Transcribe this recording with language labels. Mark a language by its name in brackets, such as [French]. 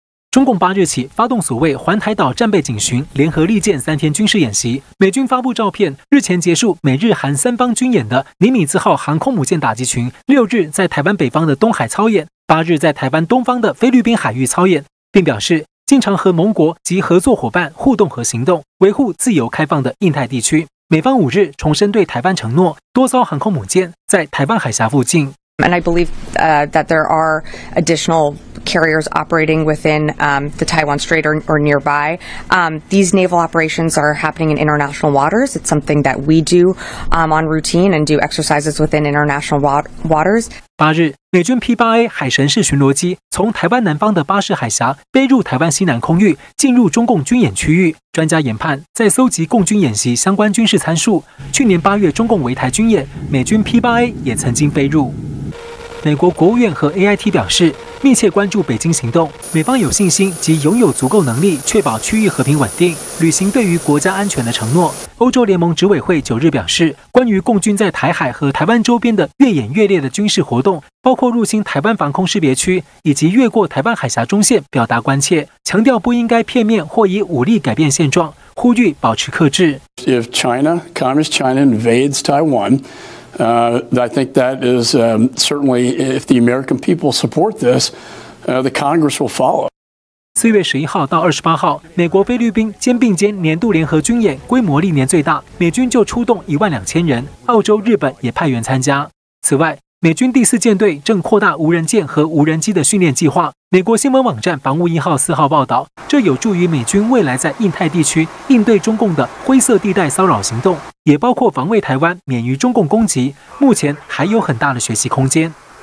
[Chinese] 中共8日起发动所谓环台岛战备警巡联合利剑3天军事演习，美军发布照片，日前结束美日韩3方军演的尼米兹号航空母舰打击群6日在台湾北方的东海操演，8日在台湾东方的菲律宾海域操演，并表示经常和盟国及合作伙伴互动和行动，维护自由开放的印太地区。美方5日重申对台湾承诺，多艘航空母舰在台湾海峡附近。 [English] And I believe that there are additional carriers operating within the Taiwan Strait or nearby. These naval operations are happening in international waters. It's something that we do on routine and do exercises within international waters. [Chinese] 8日，美军 P-8A 海神式巡逻机从台湾南方的巴士海峡飞入台湾西南空域，进入中共军演区域。专家研判，在搜集共军演习相关军事参数。去年8月，中共围台军演，美军 P-8A 也曾经飞入。美国国务院和 AIT 表示，密切关注北京行动，美方有信心及拥有足够能力确保区域和平稳定，履行对于国家安全的承诺。欧洲联盟执委会9日表示，关于共军在台海和台湾周边的越演越烈的军事活动，包括入侵台湾防空识别区以及越过台湾海峡中线，表达关切，强调不应该片面或以武力改变现状，呼吁保持克制。 [English] If China, Communist China invades Taiwan,I think that is certainly if the American people support this, the Congress will follow. [Chinese] 4月11号到28号，美国菲律宾肩并肩年度联合军演，规模历年最大，美军就出动12000人，澳洲、日本也派员参加。此外，美军第四舰队正扩大无人舰和无人机的训练计划。美国新闻网站防务一号4号报道，这有助于美军未来在印太地区应对中共的灰色地带骚扰行动，也包括防卫台湾免于中共攻击，目前还有很大的学习空间。